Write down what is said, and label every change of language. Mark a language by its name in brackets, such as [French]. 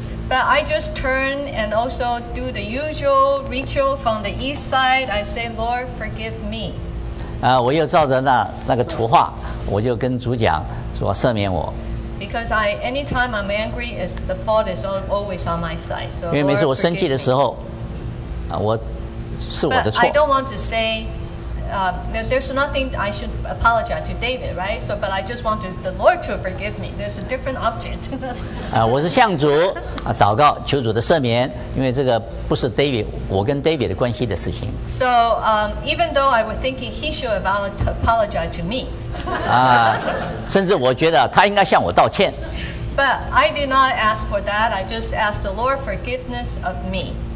[English] But I just turn and also do the usual ritual from the east side. I say, Lord, forgive me. [Chinese] 我又照着那个图画，我就跟主讲，主啊，赦免我。 [English] Because anytime I'm angry, the fault is always on my side. So, [Chinese] 因为每次我生气的时候。我是我的错。 [English] But I don't want to say, there's nothing I should apologize to David, right? So, but I just want the Lord to forgive me. There's a different object. [Chinese] 我是向主祷告，求主的赦免，因为这个不是 David， 我跟 David 的关系的事情。 [English] So, even though I was thinking he should apologize to me. [Chinese] 甚至我觉得他应该向我道歉。 [English] But I did not ask for that. I just asked the Lord forgiveness of me.